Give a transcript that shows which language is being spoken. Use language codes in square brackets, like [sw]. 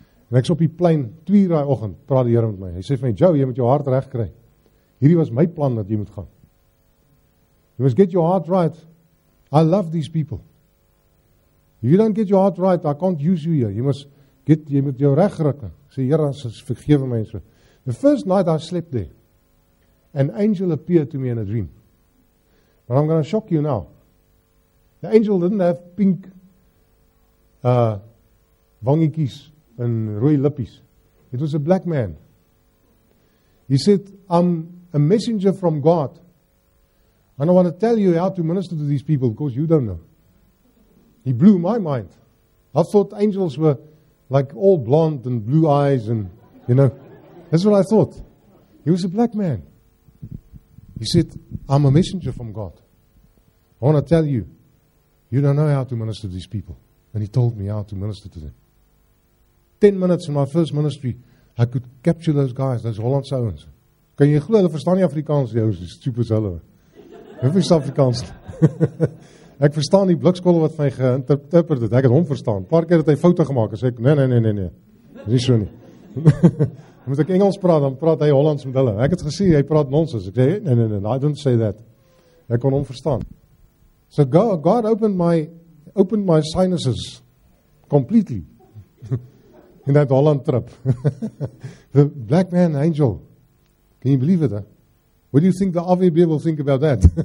[af] And ek's op die plane, 2 uur die oggend, praat die Here met my. Hy sê vir my, Joe, jy moet jou hart reg kry. Hierdie was my plan dat jy moet gaan. [en] You must get your heart right. I love these people. If you don't get your heart right, I can't use you here. You must your [af] reg rukke. Sê, Here, [en] forgive me. So. The first night I slept there, an angel appeared to me in a dream. But I'm going to shock you now. The angel didn't have pink [af] wangiekies [en] and [af] rooi lippies. [en] It was a black man. He said, I'm a messenger from God. And I want to tell you how to minister to these people because you don't know. He blew my mind. I thought angels were like all blonde and blue eyes and, you know, that's what I thought. He was a black man. He said, I'm a messenger from God. I want to tell you, you don't know how to minister to these people. And he told me how to minister to them. 10 minutes in my first ministry, I could capture those guys, those [af] Hollandse ouens. Kan jy glo, hulle verstaan nie Afrikaans, jy is die stupidste hulle. Hulle verstaan Afrikaans. Ek verstaan die blikskolle wat my geïnterpreteer het. Ek het hom verstaan. Paar keer het hy foute gemaak. Ek sê, nee, nee, nee, nee, nee. Dis nie so nie. Moet ek Engels praat, dan praat hy Hollands met hulle. Ek het gesê, hy praat nonsens. Ek sê, nee, [en] I don't say that. [af] Ek kon hom verstaan. [en] So God opened my sinuses completely in that Holland trip. The black man angel. Can you believe it? Huh? What do you think the AVB will think about that?